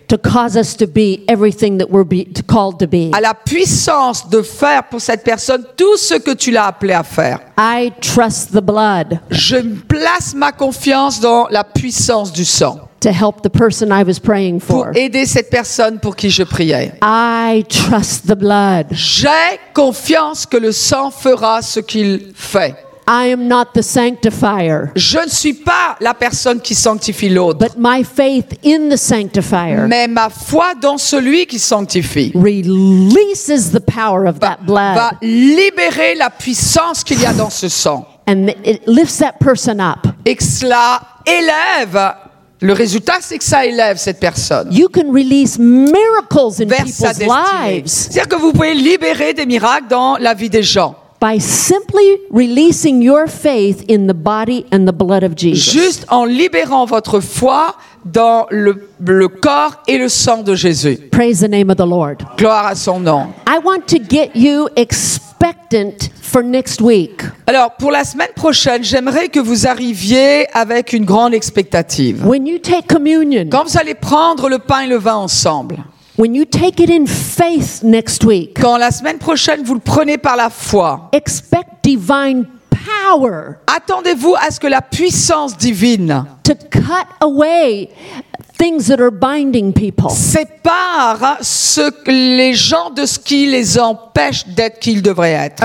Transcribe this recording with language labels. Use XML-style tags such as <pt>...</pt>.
<en>to cause us to be everything that we're called to be,</en> <fr>a la puissance de faire pour cette personne tout ce que tu l'as appelé à faire.</fr> <en>I trust the blood.</en> <fr>Je place ma confiance dans la puissance du sang.</fr> <en>To help the person I was praying for.</en> <fr>Pour aider cette personne pour qui je priais.</fr> <en>I trust the blood.</en> <fr>J'ai confiance que le sang fera ce qu'il fait.</fr> <en>I am not the sanctifier.</en> <fr>Je ne suis pas la personne qui sanctifie l'autre.</fr> <en>But my faith in the sanctifier.</en> <fr>Mais ma foi dans celui qui sanctifie.</fr> <en>Releases the power of that blood.</en> <fr>Va libérer la puissance qu'il y a dans ce sang.</fr> <en>And it lifts that person up.</en> <fr>Et cela élève. Le résultat, c'est que ça élève cette personne.</fr> <en>You can release miracles in</en> <fr>vers</fr> <en>people's</en> <fr>sa destinée. C'est-à-dire que vous pouvez libérer des miracles dans la vie des gens.</fr> <en>By simply releasing your faith in the body and the blood of Jesus.</en> <fr>Juste en libérant votre foi dans le corps et le sang de Jésus.</fr> <en>Praise the name of the Lord.</en> <fr>Gloire à son nom.</fr> <en>I want to get you expectant for next week.</en> <fr>Alors pour la semaine prochaine, j'aimerais que vous arriviez avec une grande expectative.</fr> <en>When you take communion.</en> <fr>Quand vous allez prendre le pain et le vin ensemble.</fr> <en>When you take it in faith next week.</en> <fr>Quand la semaine prochaine vous le prenez par la foi.</fr> <en>Expect divine power. power.</en> <fr>Attendez-vous à ce que la puissance divine</fr> <en>to cut away things that are binding people.</en> <fr>Sépare ce que les gens de ce qui les empêche d'être qui ils devraient être.</fr>